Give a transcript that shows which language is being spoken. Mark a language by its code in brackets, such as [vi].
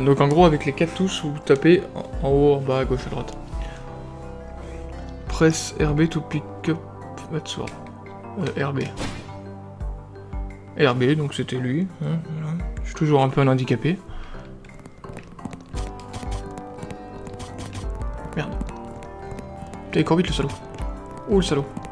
[fr] Donc en gros avec les 4 touches vous tapez en haut, en bas, à gauche, à droite. [en] Press RB to pick up that sword. [fr] RB, donc c'était lui. Je suis toujours un peu un handicapé. Merde. T'es encore vite le salaud. Oh le salaud.